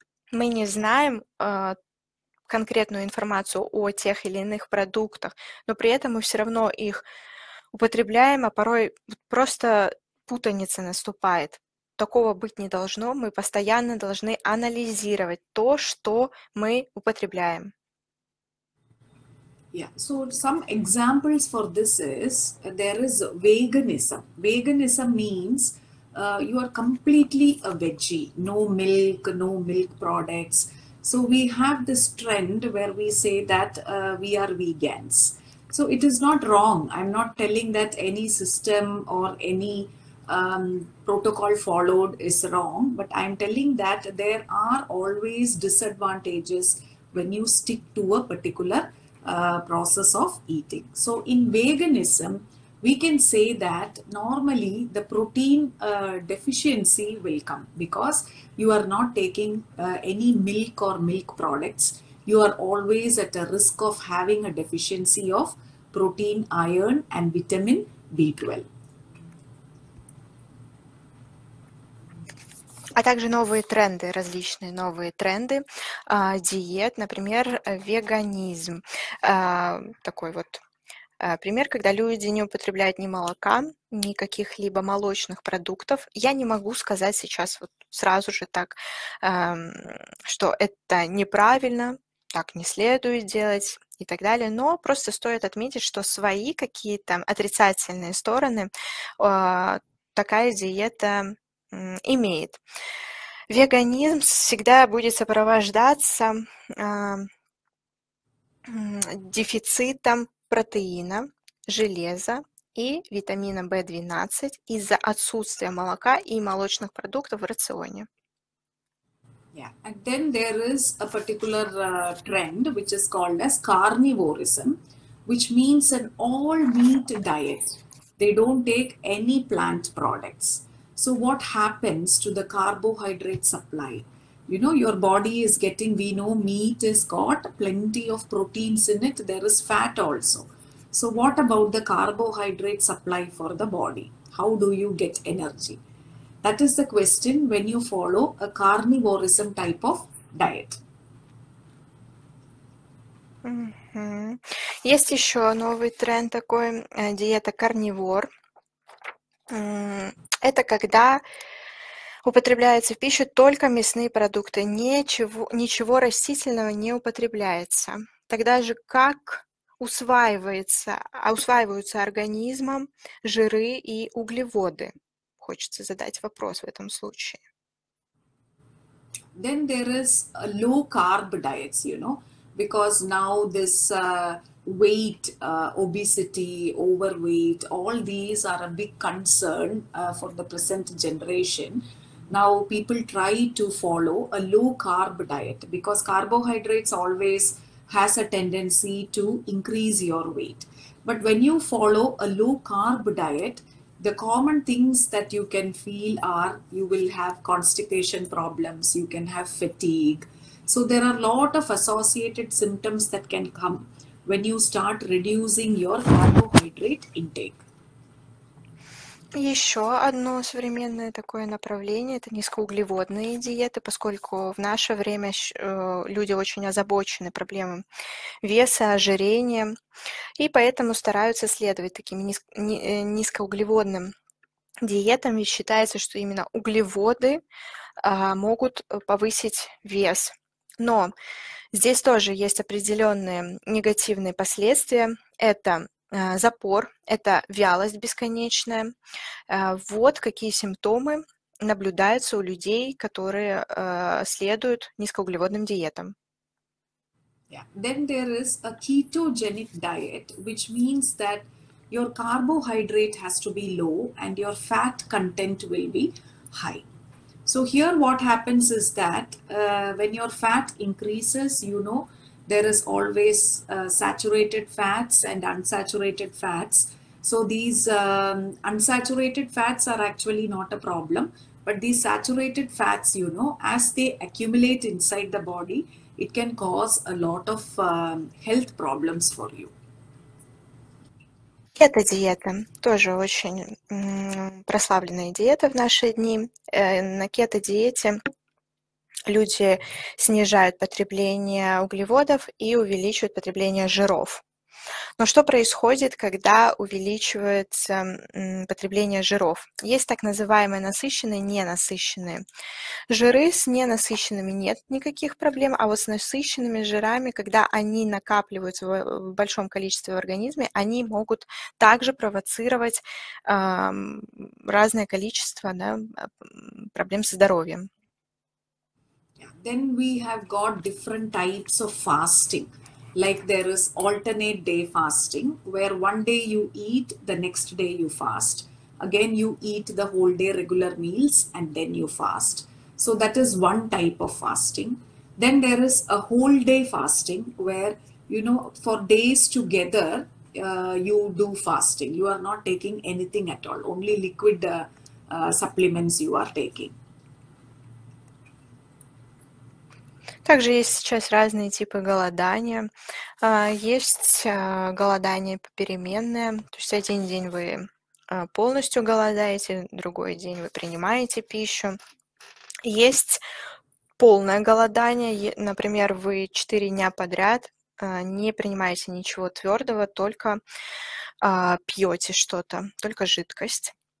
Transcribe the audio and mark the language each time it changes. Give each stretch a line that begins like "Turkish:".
Russian: Мы не знаем конкретную информацию о тех или иных продуктах, но при этом мы все равно их употребляем, а порой просто путаница наступает. Такого быть не должно, мы постоянно должны анализировать то, что мы употребляем.
English: Yeah, so some examples for this is there is veganism. Veganism means you are completely a veggie, no milk, no milk products. So we have this trend where we say that we are vegans. So it is not wrong. I'm not telling that any system or any protocol followed is wrong, but I'm telling that there are always disadvantages when you stick to a particular process of eating. So in veganism, we can say that normally the protein deficiency will come because you are not taking any milk or milk products. You are always at a risk of having a deficiency of protein, iron, and vitamin B12.
Russian: А также новые тренды, различные новые тренды диет, например, веганизм. Такой вот пример, когда люди не употребляют ни молока, ни каких-либо молочных продуктов. Я не могу сказать сейчас вот сразу же так, что это неправильно, так не следует делать и так далее, но просто стоит отметить, что свои какие-то отрицательные стороны такая диета имеет. Веганизм всегда будет сопровождаться дефицитом протеина, железа и витамина B12 из-за отсутствия молока и молочных продуктов в рационе. Yeah.
English: And then there is a particular trend, which is called as carnivorism, which means an all-meat diet. They don't take any plant products. So what happens to the carbohydrate supply? You know, your body is getting, we know meat has got plenty of proteins in it. There is fat also. So what about the carbohydrate supply for the body? How do you get energy? That is the question when you follow a carnivorism type of diet. Mm-hmm.
Russian: Есть еще новый тренд такой, диета карнивор. Это когда употребляется в пищу только мясные продукты, ничего растительного не употребляется. Тогда же как усваиваются организмом жиры и углеводы? Хочется задать вопрос в этом случае.
English: Then there is a low-carb diet, you know, because now this weight, obesity, overweight, all these are a big concern for the present generation. Now people try to follow a low carb diet because carbohydrates always has a tendency to increase your weight. But when you follow a low carb diet, the common things that you can feel are you will have constipation problems, you can have fatigue. So there are a lot of associated symptoms that can come when you start reducing your carbohydrate intake.
Russian: Еще одно современное такое направление – это низкоуглеводные диеты, поскольку в наше время люди очень озабочены проблемами веса, ожирения, и поэтому стараются следовать таким низкоуглеводным диетам, и считается, что именно углеводы могут повысить вес. Но здесь тоже есть определенные негативные последствия. Это запор, это вялость бесконечная. Вот какие симптомы наблюдается у людей, которые следуют низкоуглеводным диетам.
English: Then there is a ketogenic diet, which means that your carbohydrate has to be low and your fat content will be high. So here what happens is that when your fat increases, you know, there is always saturated fats and unsaturated fats. So these unsaturated fats are actually not a problem, but these saturated fats, you know, as they accumulate inside the body, it can cause a lot of health problems for you.
Russian: Эта диета тоже очень прославленная диета в наши дни. На кето-диете люди снижают потребление углеводов и увеличивают потребление жиров. Но что происходит, когда увеличивается потребление жиров? Есть так называемые насыщенные и ненасыщенные. Жиры с ненасыщенными нет никаких проблем, а вот с насыщенными жирами, когда они накапливаются в большом количестве в организме, они могут также провоцировать разное количество, да, проблем со здоровьем.
English: Then we have got different types of fasting. Like there is alternate day fasting, where one day you eat, the next day you fast. Again, you eat the whole day regular meals and then you fast. So that is one type of fasting. Then there is a whole day fasting where, you know, for days together, you do fasting. You are not taking anything at all, only liquid supplements you are taking.
Russian: Также есть сейчас разные типы голодания. Есть голодание попеременное, то есть один день вы полностью голодаете, другой день вы принимаете пищу. Есть полное голодание, например, вы 4 дня подряд не принимаете ничего твердого, только пьете что-то, только жидкость.